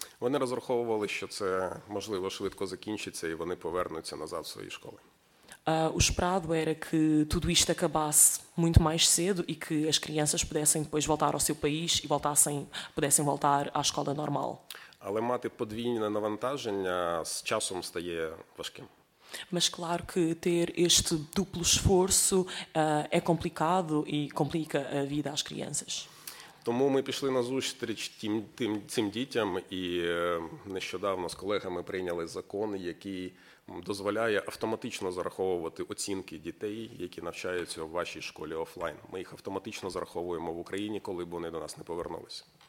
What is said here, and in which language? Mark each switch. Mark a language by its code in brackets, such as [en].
[uk] Вони розраховували, що це можливо швидко закінчиться і вони повернуться назад в свої школи. [pt] O esperado era que tudo isto acabasse muito mais cedo e que as crianças pudessem depois voltar ao seu país e pudessem voltar à escola normal. [uk] Але мати подвійне навантаження з часом стає важким. [pt] Mas claro que ter este duplo esforço é complicado e complica a vida às crianças. [uk] Тому ми пішли на зустріч цим дітям і нещодавно з колегами прийняли закон, який дозволяє автоматично зараховувати оцінки дітей, які навчаються в вашій школі офлайн. Ми їх автоматично зараховуємо в Україні, коли б вони до нас не повернулися.